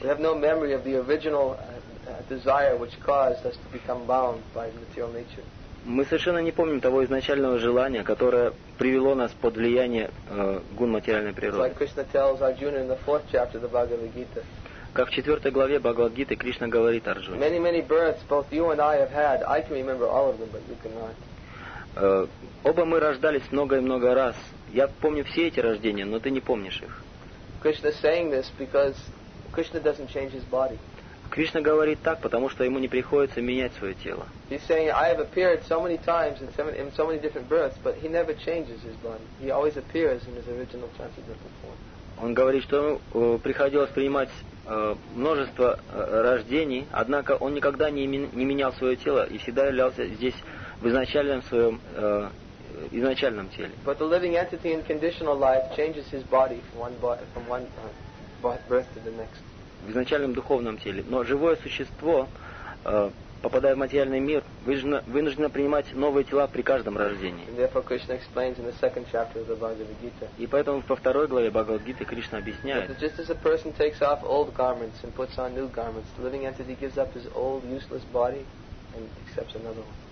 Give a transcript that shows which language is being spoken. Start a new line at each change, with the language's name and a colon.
English: We have no memory of the original desire which caused us to become bound by material nature.
Russian: Мы совершенно не помним того изначального желания, которое привело нас под влияние гун материальной природы.
English: Like Krishna tells Arjuna in the fourth chapter of the Bhagavad Gita.
Russian: Как в четвертой главе Бхагавад Гиты Кришна говорит Арджуне.
English: Many, many births both you and I have had. I can remember all of them, but you cannot.
Russian: Оба мы рождались много и много раз. Я помню все эти рождения, но ты не помнишь их.
English: Krishna is saying this because Krishna doesn't change his body.
Russian: Кришна говорит так, потому что ему не приходится менять свое тело.
English: He's saying, I have appeared so many times in so many different births, but he never changes his body. He always appears in his original transcendental form.
Russian: Он говорит, что приходилось принимать множество рождений, однако он никогда не менял свое тело и всегда являлся здесь в изначальном своем изначальном теле.
English: But the living entity in conditional life changes his body from one birth to the next.
Russian: В изначальном духовном теле. Но живое существо, попадая в материальный мир, вынуждено принимать новые тела при каждом рождении.
English: And therefore Krishna explains in the second chapter of the Bhagavad Gita.
Russian: И поэтому во второй главе Бхагавад Гиты Кришна объясняет.
English: That just as a person takes off old garments and puts on new garments, the living entity gives up his old useless body and accepts another one.